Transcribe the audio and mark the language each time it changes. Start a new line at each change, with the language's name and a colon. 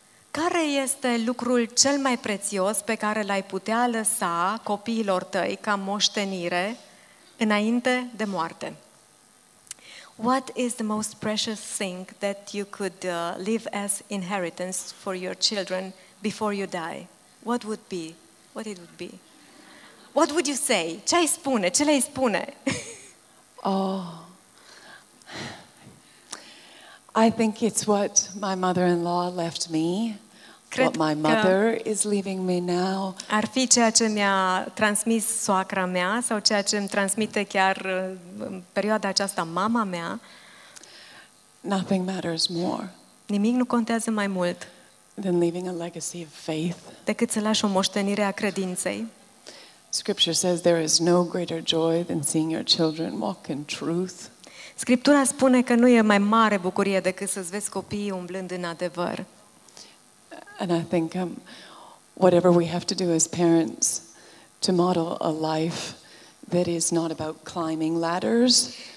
Romanian: Care este lucrul cel mai prețios pe care l-ai putea lăsa copiilor tăi ca moștenire înainte de moarte?
English: What is the most precious thing that you could leave as inheritance for your children before you die? What would be? What it would be? What would you say?
Romanian: Ce ai spune? Ce le-ai spune? Oh.
English: I think it's what my mother-in-law left me.
Romanian: Cred
English: what my mother is leaving me now.
Romanian: Ar fi ceea ce mi-a transmis soacra mea sau ceea ce îmi transmite chiar în perioada aceasta mama mea.
English: Nothing matters more.
Romanian: Nimic nu contează mai mult
English: than leaving a legacy of faith.
Romanian: Decât să lași o moștenire a credinței.
English: Scripture says there is no greater joy than seeing your children walk in truth.
Romanian: Scriptura spune că nu e mai mare bucurie decât să-ți vezi copiii umblând în adevăr.
English: And I think whatever we have to do as parents to model a life that is not about climbing ladders.